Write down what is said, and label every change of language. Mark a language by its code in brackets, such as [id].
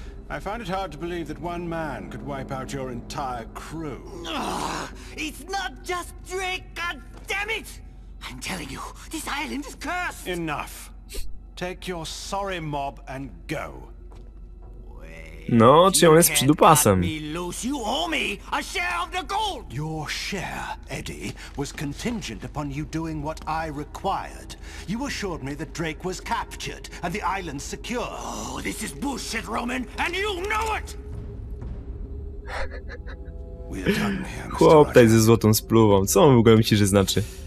[en] I find it hard to believe that one man could wipe out your entire crew. Ugh, it's not just Drake, god damn it! I'm telling you, this island is cursed! Enough. Take your sorry mob and go. [pl] No, czy on jest przydupasem? [en] You owe me a share of the gold! Your share, Eddie, was contingent upon you doing what I required. You assured me that Drake was captured and the island secure. Oh, this is bullshit, Roman, and you know it! We're done here, [pl] chłop, daj ze złotą spluwą. Co on w ogóle myśli, że znaczy?